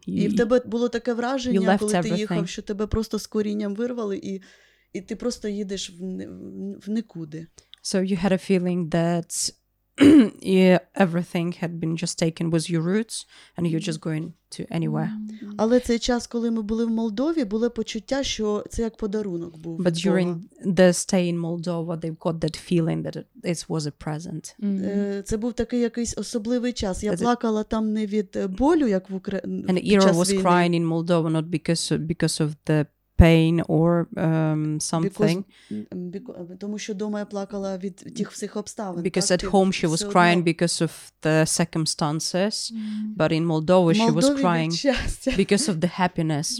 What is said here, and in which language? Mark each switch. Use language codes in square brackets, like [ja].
[en] You left everything. So you had a feeling that everything had been just taken with your roots and you're just going to anywhere. [uk] Але цей час, коли ми були в Молдові, було почуття, що це як подарунок був. [en] But during the stay in Moldova, they've got that feeling that this was a present. [uk] Це був такий якийсь особливий час. Я плакала там не від болю, як в Україні. [en] And Ira was crying in Moldova not because of the pain or something. Because at home she was crying because of the circumstances, but in Moldova she was crying because of the happiness.